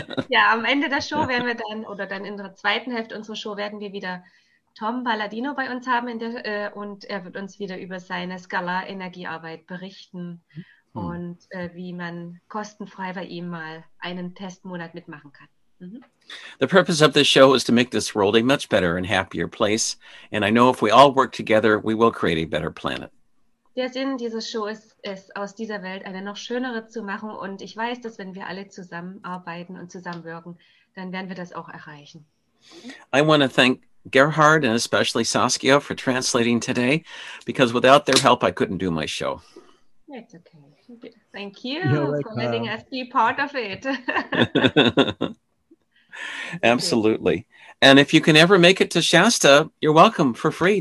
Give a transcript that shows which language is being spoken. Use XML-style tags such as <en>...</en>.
<de>Ja, am Ende der Show werden wir dann, oder dann in der zweiten Hälfte unserer Show werden wir wieder Tom Paladino bei uns haben und er wird uns wieder über seine Scalar-Energiearbeit berichten und wie man kostenfrei bei ihm mal einen Testmonat mitmachen kann.</de> <en>The purpose of this show is to make this world a much better and happier place. And I know if we all work together, we will create a better planet.</en> <de>Der Sinn dieser Show ist es, aus dieser Welt eine noch schönere zu machen und ich weiß, dass wenn wir alle zusammenarbeiten und zusammenwirken, dann werden wir das auch erreichen.</de> <en>I want to thank Gerhard and especially Saskia for translating today, because without their help, I couldn't do my show. It's okay. Thank you You're for letting welcome. us be part of it. Okay. Absolutely. And if you can ever make it to Shasta, you're welcome for free.</en>